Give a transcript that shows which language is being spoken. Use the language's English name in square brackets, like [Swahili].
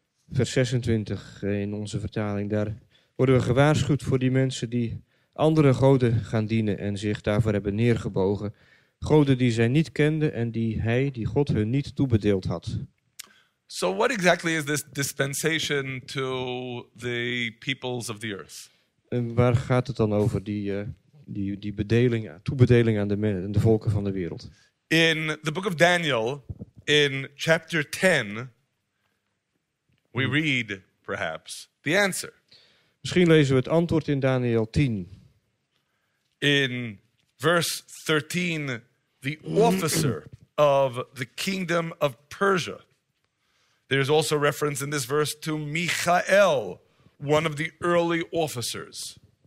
[Dutch] Vers 26 in onze vertaling, daar worden we gewaarschuwd voor die mensen die andere goden gaan dienen en zich daarvoor hebben neergebogen. Goden die zij niet kenden en die hij, die God, hun niet toebedeeld had. [English] So what exactly is this dispensation to the peoples of the earth? [Dutch] En waar gaat het dan over, die bedeling, toebedeling aan de volken van de wereld? [English] In the book of Daniel, in chapter 10, we read perhaps the answer. [Dutch] Misschien lezen we het antwoord in Daniel 10. [English] In verse 13, the officer of the kingdom of Persia. There is also reference in this verse to Michael, one of the early officers.